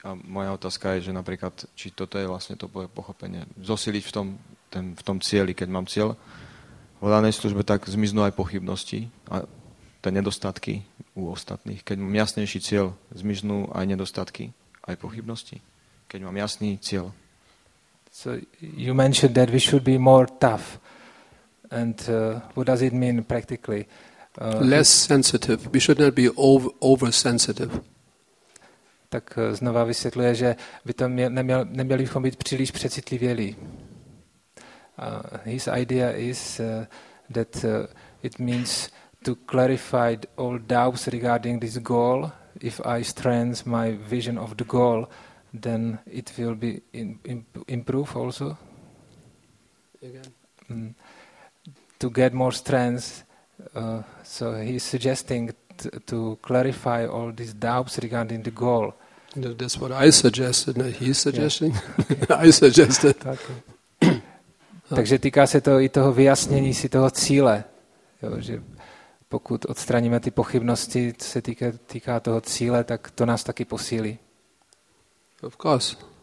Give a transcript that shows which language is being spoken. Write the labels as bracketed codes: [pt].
[sk] A moja otázka je, že napríklad, či toto je vlastne to pochopenie. Zosiliť v tom cieli, keď mám cieľ. V danej službe tak zmiznú aj pochybnosti a tie nedostatky u ostatných. Keď mám jasnejší cieľ, zmiznú aj nedostatky, aj pochybnosti. Keď mám jasný cieľ. [en] So you mentioned that we should be more tough. And what does it mean practically? Less sensitive. We should not be oversensitive. [cs] Tak znova vysvětluje, že by to neměli bychom být příliš přecitlivělí. [en] His idea is that it means to clarify all doubts regarding this goal. If I strengthen my vision of the goal, then it will be improve also. Again. To get more strength. So he's suggesting to clarify all these doubts regarding the goal. No, that's what I suggested, not he's suggesting. Yeah. I suggested. [cs] Takže týká se to i toho vyjasnění si toho cíle. Jo, že pokud odstraníme ty pochybnosti, co se týká toho cíle, tak to nás taky posílí. [en] Of course.